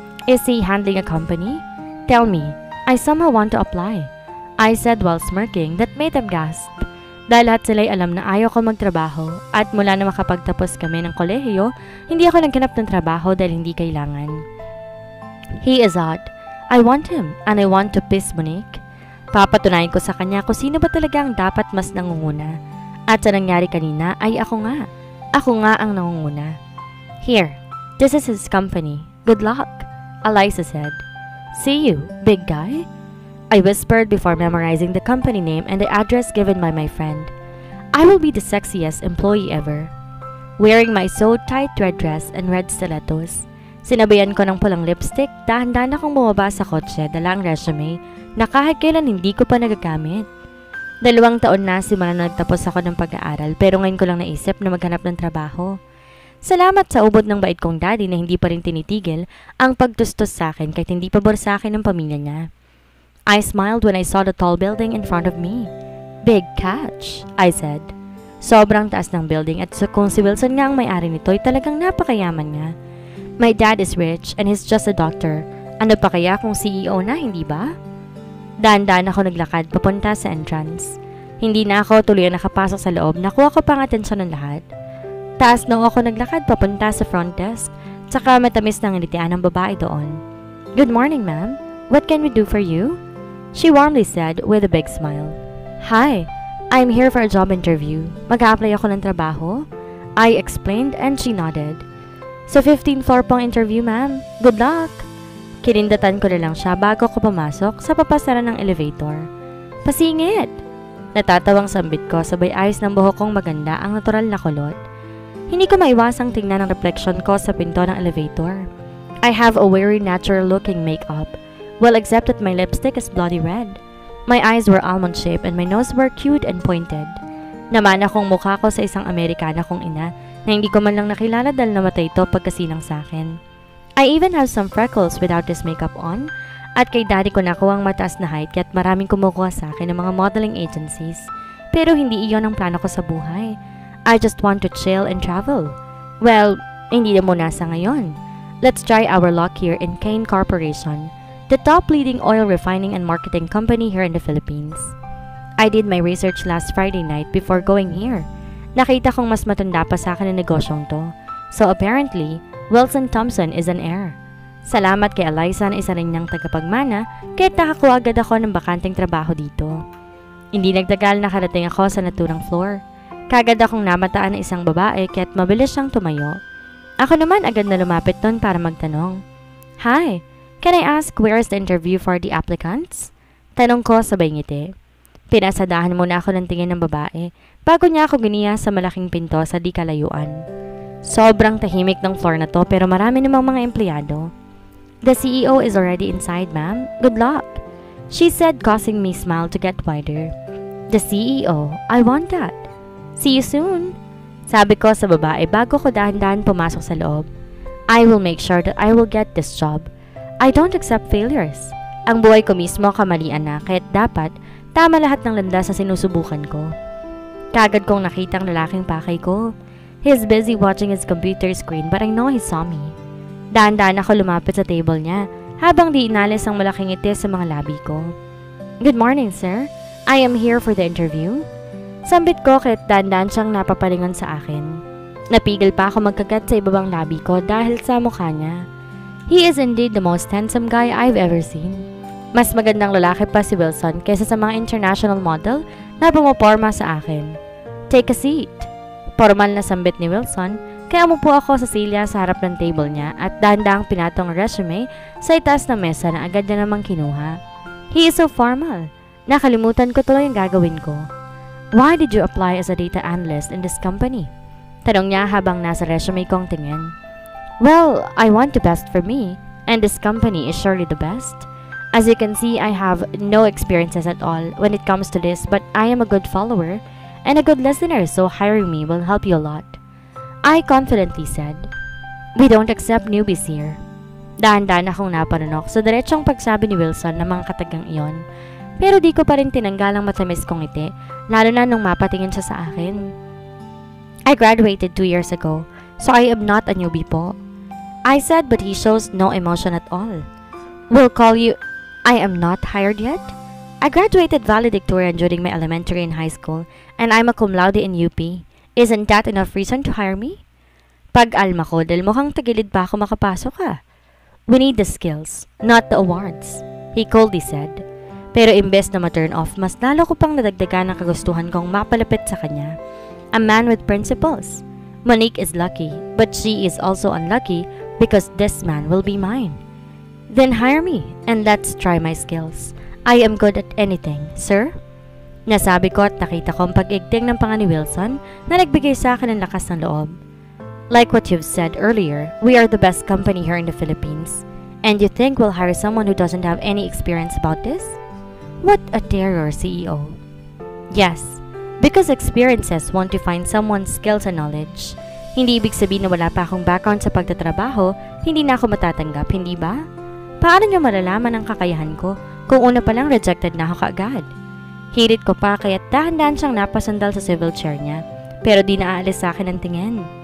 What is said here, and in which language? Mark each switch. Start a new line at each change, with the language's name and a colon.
English: "Is he handling a company? Tell me, I somehow want to apply," I said while smirking that made them gasp.
Filipino: Dahil lahat sila'y alam na ayaw ko magtrabaho at mula na makapagtapos kami ng kolehiyo, hindi ako nagkanap ng trabaho dahil hindi kailangan.
English: "He is hot. I want him and I want to piss Monique."
Filipino: Papatunayan ko sa kanya kung sino ba talaga ang dapat mas nangunguna. At sa nangyari kanina ay ako nga. Ako nga ang nangunguna.
English: "Here, this is his company. Good luck," Eliza said. "See you, big guy," I whispered before memorizing the company name and the address given by my friend. "I will be the sexiest employee ever." Wearing my so tight red dress and red stilettos,
Filipino: sinabayan ko ng pulang lipstick, dahan-dahan akong bumaba sa kotse, dala ang resume na kahit kailan hindi ko pa nagagamit. 2 taon na simula na nagtapos ako ng pag-aaral pero ngayon ko lang naisip na maghanap ng trabaho. Salamat sa ubod ng bait kong daddy na hindi pa rin tinitigil ang pagtustos sa akin kahit hindi pabor sa akin ng pamilya niya.
English: I smiled when I saw the tall building in front of me. "Big catch," I said.
Filipino: Sobrang taas ng building at kung si Wilson nga ang may-ari nito ay talagang napakayaman niya.
English: "My dad is rich and he's just a doctor.
Filipino: Ano pa kaya kung CEO na, hindi ba?" Dahan-dahan ako naglakad papunta sa entrance. Hindi na ako tuloy ang nakapasok sa loob, nakuha ko pa ang atensyon ng lahat. Taas na ako naglakad papunta sa front desk, tsaka matamis na ngitian ang babae doon.
English: "Good morning, ma'am. What can we do for you?" She warmly said with a big smile. "Hi, I'm here for a job interview.
Filipino: Mag-a-apply ako ng trabaho,"
English: I explained and she nodded. "So 15th floor pong interview, ma'am. Good luck."
Filipino: Kinindatan ko na lang siya bago ko pumasok sa papasaran ng elevator. "Pasingit!" Natatawang sambit ko sabay ayos ng buhok kong maganda ang natural na kulot. Hindi ko maiwasang tingnan ang reflection ko sa pinto ng elevator.
English: I have a very natural looking makeup, well except that my lipstick is bloody red. My eyes were almond shaped and my nose were cute and pointed.
Filipino: Naman akong mukha ko sa isang Amerikana kong ina na hindi ko man lang nakilala dahil namatay ito pagkasilang sa akin.
English: I even have some freckles without this makeup on.
Filipino: At kay daddy ko nakuha ang mataas na height kaya't maraming kumukuha sa akin ng mga modeling agencies. Pero hindi iyon ang plano ko sa buhay.
English: I just want to chill and travel.
Filipino: Well, hindi na muna sa ngayon.
English: Let's try our luck here in Kane Corporation, the top leading oil refining and marketing company here in the Philippines. I did my research last Friday night before going here.
Filipino: Nakita kong mas matanda pa sa akin ang negosyong to.
English: So apparently, Wilson Thompson is an heir.
Filipino: Salamat kay Eliza na isa rin niyang tagapagmana kahit nakakuha agad ako ng bakanteng trabaho dito. Hindi nagtagal nakarating ako sa naturang floor. Kagad akong namataan ng isang babae kahit mabilis siyang tumayo. Ako naman agad na lumapit nun para magtanong.
English: "Hi, can I ask where is the interview for the applicants?"
Filipino: Tanong ko sabay ngiti. Pinasadahan muna ako ng tingin ng babae bago niya ako giniya sa malaking pinto sa di kalayuan. Sobrang tahimik ng floor na to pero marami namang mga empleyado.
English: "The CEO is already inside, ma'am. Good luck," she said, causing me smile to get wider. "The CEO, I want that. See you soon,"
Filipino: sabi ko sa babae bago ko dahan-dahan pumasok sa loob.
English: "I will make sure that I will get this job. I don't accept failures,"
Filipino: Ang buhay ko mismo kamalian na kahit dapat tama lahat ng landas sa sinusubukan ko. Kagad kong nakita ang lalaking pakay ko.
English: He's busy watching his computer screen but I know he saw me.
Filipino: Daan-daan ako lumapit sa table niya habang di inalis ang malaking ngiti sa mga labi ko.
English: Good morning, sir. I am here for the interview.
Filipino: Sambit ko kahit daan-daan siyang napapalingon sa akin. Napigil pa ako magkagat sa ibabang labi ko dahil sa mukha niya.
English: He is indeed the most handsome guy I've ever seen.
Filipino: Mas magandang lalaki pa si Wilson kaysa sa mga international model na pumuporma sa akin.
English: Take a seat.
Filipino: Formal na sambit ni Wilson, kaya umupo ako sa silya sa harap ng table niya at dahan-dahang pinatong resume sa itaas na mesa na agad niya namang kinuha.
English: He is so formal.
Filipino: Nakalimutan ko tuloy ang gagawin ko.
English: Why did you apply as a data analyst in this company?
Filipino: Tanong niya habang nasa resume kong tingin.
English: Well, I want the best for me, and this company is surely the best. As you can see, I have no experiences at all when it comes to this, but I am a good follower and a good listener, so hiring me will help you a lot. I confidently said, we don't accept newbies here.
Filipino: Daan-daan akong napanunok sa diretsyong pagsabi ni Wilson ng mga katagang iyon, pero di ko pa rin tinanggal ang matamis kong ngiti, lalo na nung mapatingin siya sa akin.
English: I graduated 2 years ago, so I am not a newbie po. I said, but he shows no emotion at all. We'll call you... I am not hired yet? I graduated valedictorian during my elementary and high school, and I'm a cum laude in UP. Isn't that enough reason to hire me?
Filipino: Pag-alma ko, dahil mukhang tagilid pa ako makapasok ha.
English: We need the skills, not the awards, he coldly said.
Filipino: Pero imbes na ma-turn off, mas lalo ko pang nadagdagan ang kagustuhan kong mapalapit sa kanya.
English: A man with principles. Monique is lucky, but she is also unlucky because this man will be mine. Then hire me and let's try my skills. I am good at anything, sir.
Filipino: Nasabi ko at nakita ko ang pag-igting ng panga ni Wilson na nagbigay sa akin ng lakas ng loob.
English: Like what you've said earlier, we are the best company here in the Philippines. And you think we'll hire someone who doesn't have any experience about this? What a terror, CEO. Yes, because experiences won't define someone's skills and knowledge.
Filipino: Hindi ibig sabihin na wala pa akong background sa pagtatrabaho, hindi na ako matatanggap, hindi ba? Paano niyo malalaman ang kakayahan ko kung una pa lang rejected na ako kaagad? Hirit ko pa kaya dahan-dahan siyang napasandal sa civil chair niya, pero di naaalis sa akin ang tingin.